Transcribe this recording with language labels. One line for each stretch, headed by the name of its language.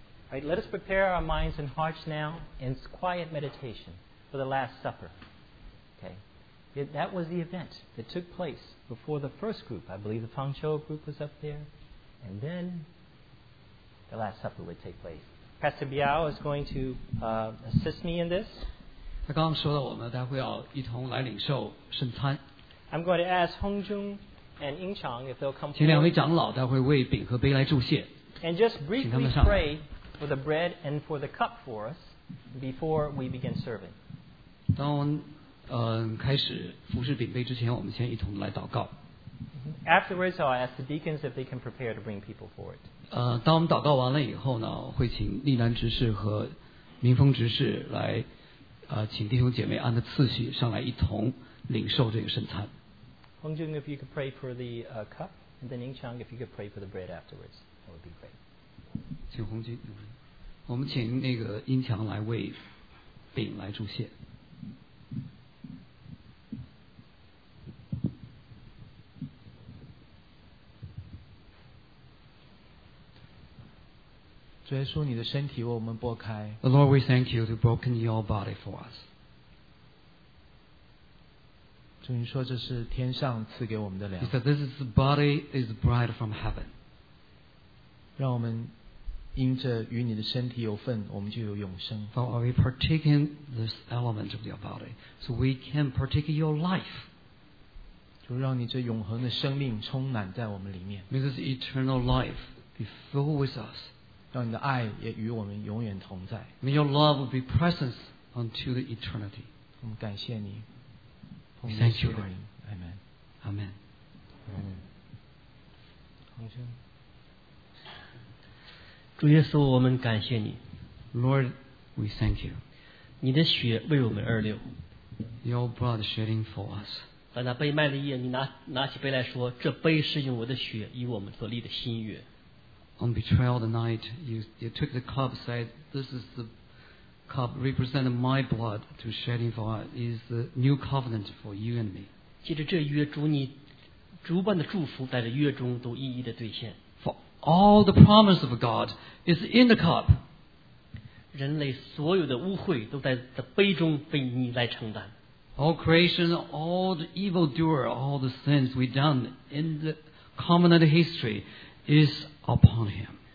English: All right, let us prepare our minds and hearts now in quiet meditation for the Last Supper. Okay. That was the event that took place before the first group. I believe the Fang Chou group was up there. And then the Last Supper would take place. Pastor Biao is going to assist me in this.
Chinese: 他刚刚说到我们待会要一同来领受圣餐。
English: I'm going to ask Hong Jung and Ying Chang if they'll come.
Chinese: 请两位长老待会为饼和杯来祝谢。
English: And just briefly pray for the bread and for the cup for us before we begin serving.
Chinese: 当我们开始服侍饼杯之前，我们先一同来祷告。
English: Afterwards, I'll ask the deacons if they can prepare to bring people forward.
Chinese: 当我们祷告完了以后呢，会请丽兰执事和明峰执事来。请弟兄姐妹按着次序上来一同领受这个圣餐。
English: Hong Jun, if you could pray for the cup, and then Ying Chang, if you could pray for the bread afterwards, that would be great.
Chinese: 请洪军，我们请那个英强来为饼来祝谢。主耶稣，你的身体为我们擘开。The
English: Lord, we thank you to broken your body for us.
Chinese: 主，你说这是天上赐给我们的粮。
English: He said, "This is the body is bread from heaven."
Chinese: 让我们因着与你的身体有份，我们就有永生。
English: Father, we partake in this element of your body, so we can partake in your life.
Chinese: 就让你这永恒的生命充满在我们里面。
English: May this eternal life be filled with us.
Chinese: 让你的爱也与我们永远同在。
English: May your love be present until the eternity.
Chinese: 我们感谢你。
English: Thank you, Lord. Amen. Amen.
Chinese: 同声。主耶稣，我们感谢你。
English: Lord, we thank you.
Chinese: 你的血为我们而流。
English: Your blood shedding for us.
Chinese: 把那被卖的夜，你 拿起杯来说，这杯是用我的血与我们所立的新约。
English: On betrayal the night, you took the cup, said, "This is the cup represented my blood to shedding for us. Is the new covenant for you and me."
Chinese: 借着这约，主你主般的祝福在这约中都一一的兑现。
English: All the promise of God is in the cup.
Chinese: 人类所有的污秽都在这杯中被你来承担。
English: All creation, all the evil doer, all the sins we've done in the covenant history is upon Him.